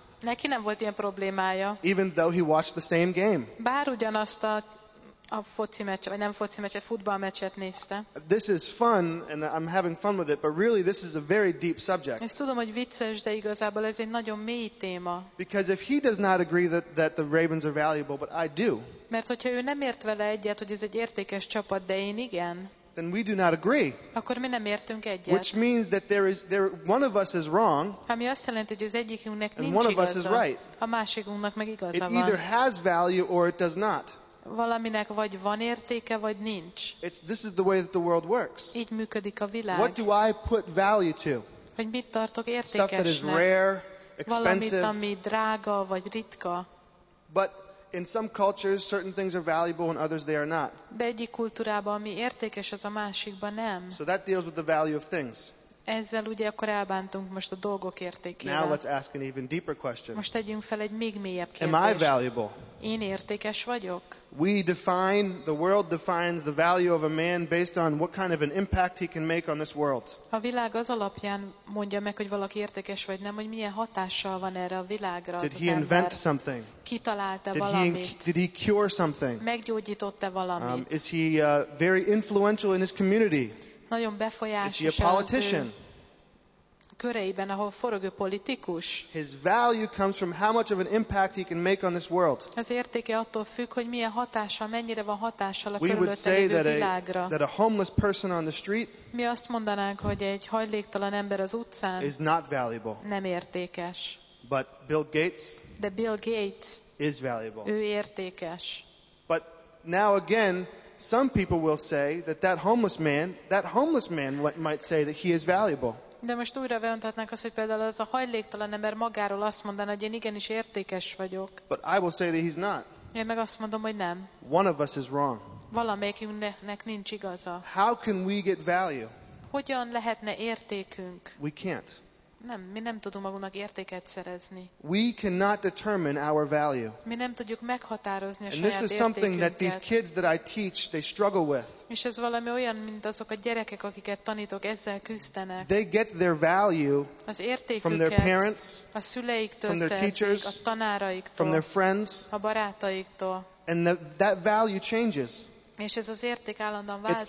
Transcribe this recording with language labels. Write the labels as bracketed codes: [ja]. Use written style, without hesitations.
[hu] Neki nem volt ilyen problémája. [en] Even though he watched the same game. [hu] Bár ugyanazt a foci meccset, vagy nem foci meccset, futball meccset nézte. [en] This is fun, and I'm having fun with it, but really this is a very deep subject. [hu] Ezt tudom, hogy vicces, de igazából ez egy nagyon mély téma. [en] Because if he does not agree that the Ravens are valuable, but I do. [hu] Mert hogyha ő nem ért vele egyet, hogy ez egy értékes csapat, de én igen. [en] Then we do not agree. [hu] Akkor mi nem értünk egyet. [en] Which means that there is one of us is wrong. [hu] Ami azt jelenti, hogy az egyikünknek nincs igaza. [en] One of [hu] igaza, [en] us is right. [hu] A másikunknak meg igaza van. [en] It either has value or it does not. [hu] Valaminek vagy van értéke, vagy nincs. [en] This is the way that the world works. [hu] Így működik a világ. [en] What do I put value to? [hu] Hogy mit tartok értékesnek? [en] Stuff that is rare, expensive. [hu] Valamit, ami drága vagy ritka. [en] But in some cultures certain things are valuable and others they are not. [hu] De egyik kultúrában ami értékes, az a másikban nem. [en] So that deals with the value of things. [hu] Ezzel ugye akkor elbántunk most a dolgok értékével. [en] Now let's ask an even deeper question. [hu] Most tegyünk fel egy még mélyebb kérdést. [en] Am I valuable? [hu] Én értékes vagyok? [en] We define, the world defines the value of a man based on what kind of an impact he can make on this world. [hu] A világ az alapján mondja meg, hogy valaki értékes vagy nem, hogy milyen hatással van erre a világra. [en] Did he invent something? [hu] Kitalálta valamit? [en] Did he cure something? [hu] Meggyógyította valamit? [en] Is he very influential in his community? [hu] Nagyon befolyásos. [en] Is he a politician? [hu] Köreiben, ahol forog, ő politikus. [en] His value comes from how much of an impact he can make on this world. [hu] Az értéke attól függ, hogy milyen hatással, mennyire van hatással a körülötte lévő világra. [en] We would say that a homeless person on the street. [hu] Mi azt mondanánk, hogy egy hajléktalan ember az utcán. [en] Is not valuable. [hu] Nem értékes. [en] But Bill Gates. [hu] De Bill Gates. [en] Is valuable. [hu] Ő értékes. [en] But now again. Some people will say that that homeless man might say that he is valuable. [hu] De most újra vonhatnánk azt, hogy például az a hajléktalan ember magáról azt mondaná, hogy én igenis értékes vagyok. [en] But I will say that he's not. [hu] Én meg azt mondom, hogy nem. [en] One of us is wrong. [hu] Valamelyikünknek nincs igaza. [en] How can we get value? [hu] Hogyan lehetne értékünk? [en] We can't. [hu] Nem, mi nem tudunk magunknak értéket szerezni. [en] We cannot determine our value. [hu] Mi nem tudjuk meghatározni a saját értékünket. [en] And this is something that these kids that I teach, they struggle with. [hu] És ez valami olyan, mint azok a gyerekek, akiket tanítok, ezzel küzdenek. [en] They get their value [hu] az értékünket [en] from their parents, [hu] a szüleiktől, [en] from their teachers, [hu] a tanáraiktól, [en] from their friends, [hu] a barátaiktól. [en] And that value changes. [hu] És ez az érték állandóan változik.